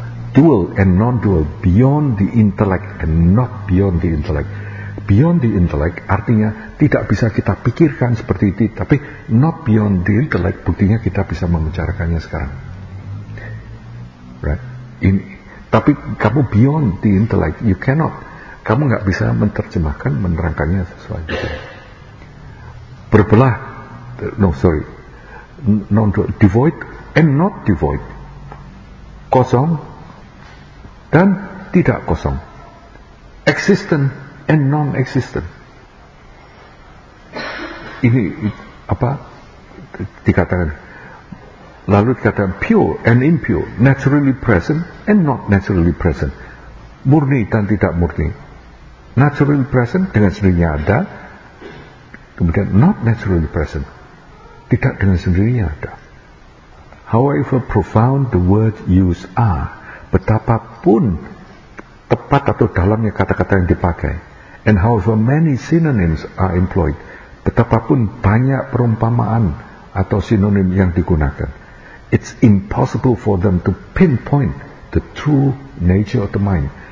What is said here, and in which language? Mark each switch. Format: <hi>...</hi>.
<en>Dual and non-dual, beyond the intellect and not beyond the intellect. Beyond the intellect</en> <id>artinya tidak bisa kita pikirkan seperti itu, tapi</id> <en>not beyond the intellect</en> <id>buktinya kita bisa membicarakannya sekarang.</id> <en>Right?</en> <id>Ini, tapi kamu</id> <en>beyond the intellect, you cannot.</en> <id>Kamu enggak bisa menerjemahkan, menerangkannya sesuai itu. Berbelah,</id> <en>no sorry, non-dual, devoid and not devoid.</en> <id>Kosong dan tidak kosong.</id> <en>Existent and non-existent.</en> <id>Ini apa dikatakan? Lalu dikatakan</id> <en>pure and impure, naturally present and not naturally present.</en> <id>Murni dan tidak murni.</id> <en>Naturally present,</en> <id>dengan sendirinya ada. Kemudian</id> <en>not naturally present,</en> <id>tidak dengan sendirinya ada.</id> <en>However profound the words used are,</en> <id>betapapun tepat atau dalamnya kata-kata yang dipakai,</id> <en>and however many synonyms are employed,</en> <id>betapapun banyak perumpamaan atau sinonim yang digunakan,</id> <en>it's impossible for them to pinpoint the true nature of the mind.</en>